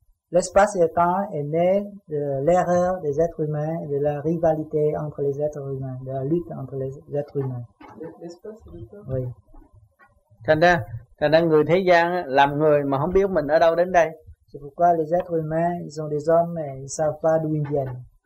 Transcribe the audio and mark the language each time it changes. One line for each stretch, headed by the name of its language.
French: L'espace et le temps est né de l'erreur des êtres humains, de la rivalité entre les êtres humains, de la lutte entre les êtres humains. L'espace et le temps. Oui.
Vietnamese: Thành ra người thế gian làm người mà không biết mình ở đâu đến đây.
French: C'est pourquoi les êtres humains, ils sont des hommes et ils savent pas d'où ils viennent.